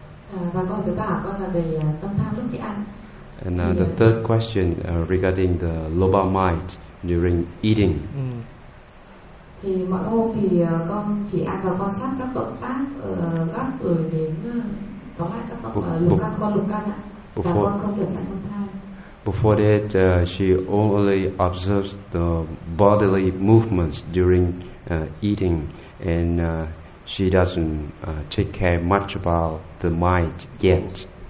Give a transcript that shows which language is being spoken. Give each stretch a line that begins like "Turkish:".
Vietnamese: Và câu thứ ba con là về tâm tham lúc khi ăn.
English: And the third question regarding the lobha mind during eating.
Vietnamese: Thì mỗi hôm thì con chỉ ăn và quan sát các động tác gắp rồi đến có lại các động lục căn ạ. Và con không kiểm soát tâm tham.
English: Before that, she only observes the bodily movements during eating, and she doesn't take care much about the mind yet.